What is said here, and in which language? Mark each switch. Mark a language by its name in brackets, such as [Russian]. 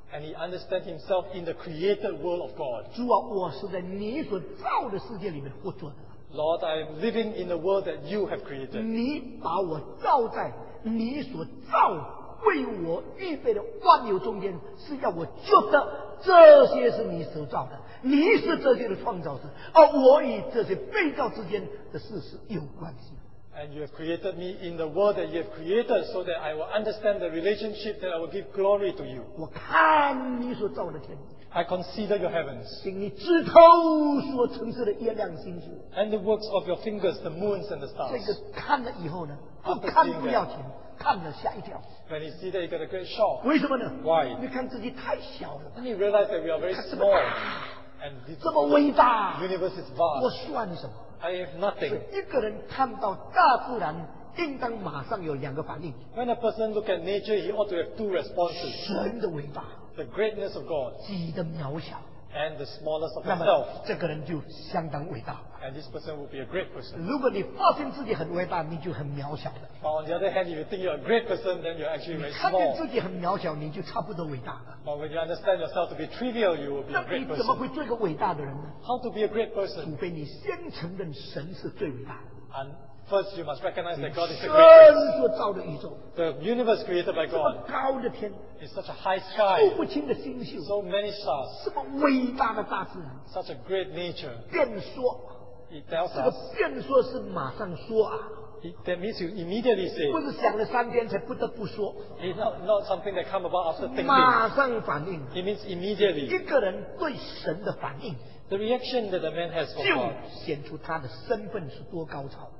[English] And he understands himself in the created world of God. [Chinese] 主啊，我是在你所造的世界里面活着的。 [English] Lord, I am living in the world that you have created. [Chinese] 你把我造在你所造为我预备的万有中间，是要我觉得这些是你所造的。你是这些的创造者，而我与这些被造之间的事是有关系。 [English] And you have created me in the world that you have created, so that I will understand the relationship that I will give glory to you. [Chinese] 我看你所造的天。 [English] I consider your heavens. [Chinese] 凭你指头所成就的月亮星宿。 [English] And the works of your fingers, the moons and the stars. [Chinese] 这个看了以后呢，不看不要紧。看了吓一跳。 [English] When he see that he got a great shock. [Chinese] 为什么呢？ [English] Why? [Chinese] 你看自己太小了。 [English] And he realized that we are very small. And this [Chinese] 这么伟大。 [English] Universe is vast. [Chinese] 我算什么？ [English] I have nothing. [Chinese] 所以一个人看到大自然，应当马上有两个反应。 [English] When a person look at nature, he ought to have two responses. [Chinese] 神的伟大。 [English] The greatness of God. [Chinese] 己的渺小。 [English] and the smallest of himself. [Chinese] 这个人就相当伟大。 [English] And this person will be a great person. [Chinese] 如果你发现自己很伟大，你就很渺小了。 [English] On the other hand, if you think you're a great person, then you're actually very small. [Chinese] 你看见自己很渺小，你就差不多伟大了。 [English] But when you understand yourself to be trivial, you will be a great person. [Chinese] 那你怎么会做一个伟大的人呢？ [English] How to be a great person? [Chinese] 除非你先承认神是最伟大的。 [English] First, you must recognize that God is the greatest. The universe created by God. [Chinese] 这么高的天, [English] is such a high sky. [Chinese] 数不清的星宿, [English] so many stars. [Chinese] 这么伟大的大自然, [English] such a great nature. [Chinese] 变说, [English] it tells us. [Chinese] 这个变说是马上说啊, [English] that means you immediately say. [Chinese] 不是想了三天才不得不说, [English] it's not something that comes about after thinking. [Chinese] 马上反应, [English] it means immediately. [Chinese] 一个人对神的反应, [English] the reaction that the man has for God. [Chinese] 就显出他的身份是多高潮。